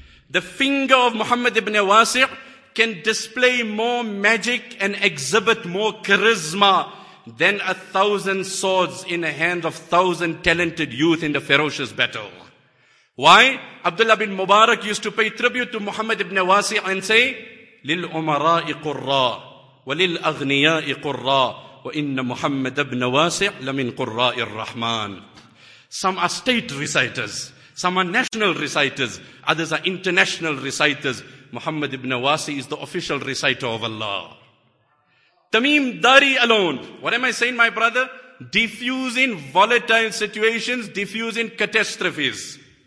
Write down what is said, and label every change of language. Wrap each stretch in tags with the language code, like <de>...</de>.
<en>The finger of Muhammad ibn Wasi' can display more magic and exhibit more charisma than 1,000 swords in the hands of 1,000 talented youth in the ferocious battle. Why? Abdullah bin Mubarak used to pay tribute to Muhammad ibn Wasi' and say,</en> <ar>لِلْأُمَرَاءِ قُرَّى. وللأغنياء قراء وإن محمد بن واسع لمن قراء الرحمن.</ar> <en>Some are state reciters, some are national reciters, others are international reciters. Muhammad ibn Wasi is the official reciter of Allah. Tamim Dari alone. What am I saying, my brother? Diffuse in volatile situations, diffuse in catastrophes.</en>